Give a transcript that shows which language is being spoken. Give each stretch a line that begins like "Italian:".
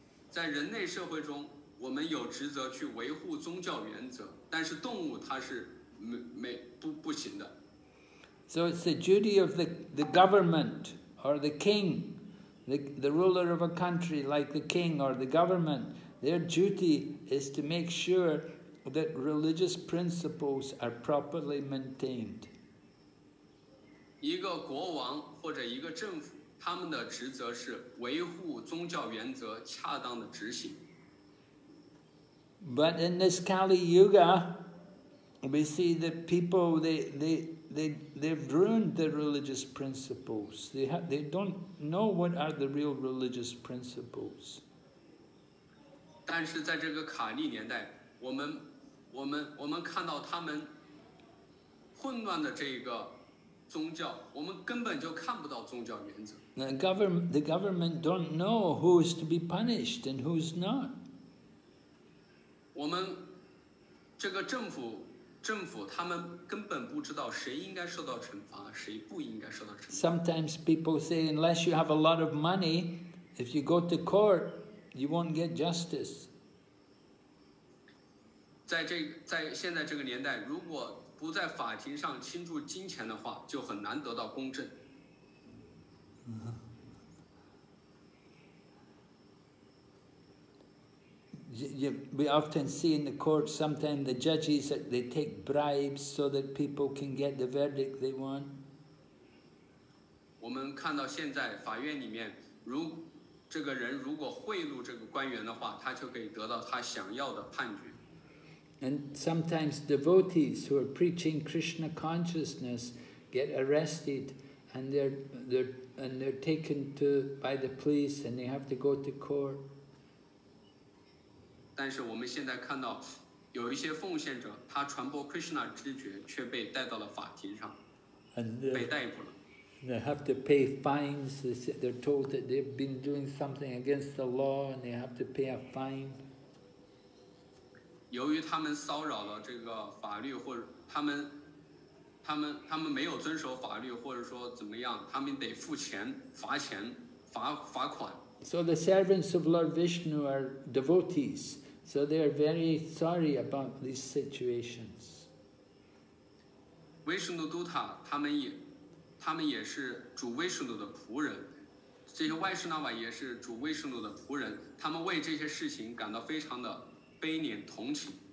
Chinese: 在人类社会中，我们有职责去维护宗教原则，但是动物它是不行的。
English: So it's the duty of the government or the king, the ruler of a country like the king or the government, their duty is to make sure that religious principles are properly maintained.
Chinese: 一个国王或者一个政府。他们的职责是维护宗教原则恰当的执行。
English: But in this Kali Yuga, we see that people they've ruined the religious principles. They don't know what are the real religious principles.
Chinese: 但是在这个卡利年代，我们看到他们混乱的这个宗教，我们根本就看不到宗教原则。
English: The government don't know who is to be punished and who is not.
Chinese: 我们这个政府他们根本不知道谁应该受到惩罚，谁不应该受到惩罚。
English: Sometimes people say, unless you have a lot of money, if you go to court, you won't get justice.
Chinese: 在现在这个年代，如果不在法庭上倾注金钱的话，就很难得到公正。
English: We often see in the court sometimes the judges that they take bribes so that people can get the verdict they want.
Chinese: 我们看到现在法院里面，如这个人如果贿赂这个官员的话，他就可以得到他想要的判决。
English: And sometimes devotees who are preaching Krishna consciousness get arrested, and they're taken to by the police, and they have to go to court.
Chinese: 但是我们现在看到有一些奉献者，他传播 Krishna 知觉却被带到了法庭上，被逮捕了。
English: They have to pay fines. They're told that they've been doing something against the law and they have to pay a fine.
Chinese: 由于他们骚扰了这个法律，或者他们没有遵守法律，或者说怎么样，他们得付钱，罚款。
English: So the servants of Lord Vishnu are devotees, so they are very sorry about these situations.
Chinese: Vishnu Dutta, 他们也是主 Vishnu 的仆人，这些 Vaishnava 也是主 Vishnu 的仆人，他们为这些事情感到非常的悲悯同情。